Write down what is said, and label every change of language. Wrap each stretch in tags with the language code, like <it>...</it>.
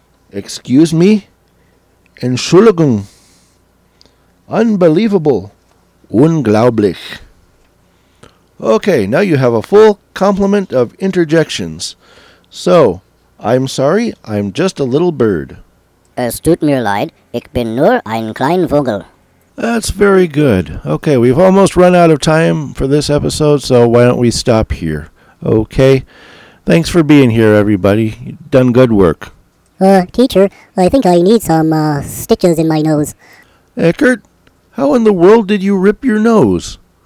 <en>Excuse me.</en> <de>Entschuldigung.</de> <en>Unbelievable.</en> <de>Unglaublich.</de> <en>Okay, now you have a full complement of interjections. So, I'm sorry, I'm just a little bird.</en> <de>Es tut mir leid, ich bin nur ein kleiner Vogel.</de> <en>That's very good. Okay, we've almost run out of time for this episode, so why don't we stop here? Okay, thanks for being here, everybody. You've done good work. Teacher, I think I need some stitches in my nose. Eckert, how in the world did you rip your nose?</en>